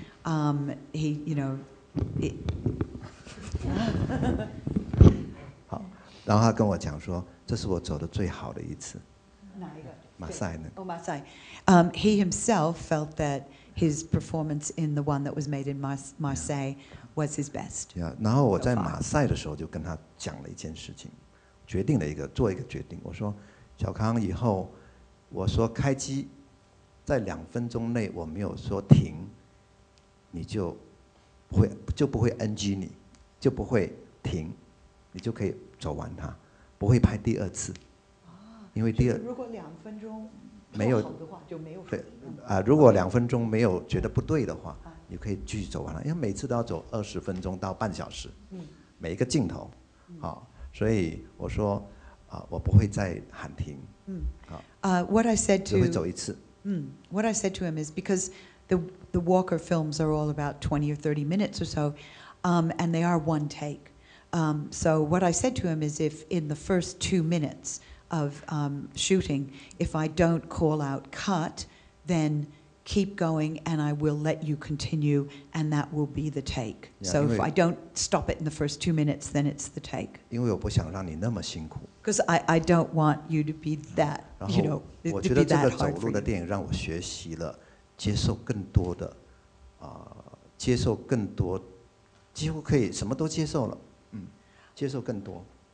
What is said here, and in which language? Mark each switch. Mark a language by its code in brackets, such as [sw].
[zh] 然后他跟我讲说，这是我走的最好的一次。哪一个？马赛呢？哦，马赛。 [en] He himself felt that his performance in the one that was made in Marseille was his best. Yeah. [zh] 然后我在马赛的时候就跟他讲了一件事情，决定了一个做一个决定。我说，小康，以后我说开机，在两分钟内我没有说停，你就不会 NG 你，就不会停，你就可以。走完它，不会拍第二次，因为第二如果两分钟没有的话就没有对如果两分钟没有觉得不对的话，你可以继续走完了，因为每次都要走20分钟到半小时，每一个镜头，所以我说我不会再喊停， [en] What I said to [zh] 只会走一次， [en] What I said to him is because the Walker films are all about 20 or 30 minutes or so, and they are one take. So what I said to him is if in the first 2 minutes of shooting, if I don't call out cut, then keep going and I will let you continue and that will be the take. Yeah, so if I don't stop it in the first 2 minutes, then it's the take. Because I don't want you to be that, you know, to be that hard for you. [zh] 我觉得这个走路的电影让我学习了接受更多的, 接受更多, 几乎可以, 什么都接受了, 接受更多。